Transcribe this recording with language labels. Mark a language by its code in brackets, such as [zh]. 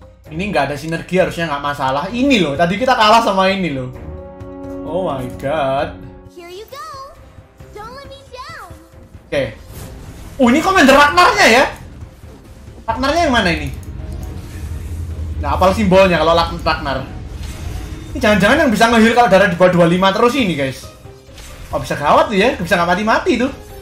[id] Ini nggak ada sinergi, harusnya nggak masalah. Ini loh, tadi kita kalah sama ini loh. [en] Oh my god. Here you go. Don't let me down. [id] Oke. Okay. Ini Commander Ragnar-nya ya? Ragnar-nya yang mana ini? Nah, apa simbolnya kalau Ragnar? Ini jangan-jangan yang bisa ngeheal kalau darah di bawah 25 terus ini, guys. Oh, bisa gawat tuh ya. Bisa nggak mati-mati tuh.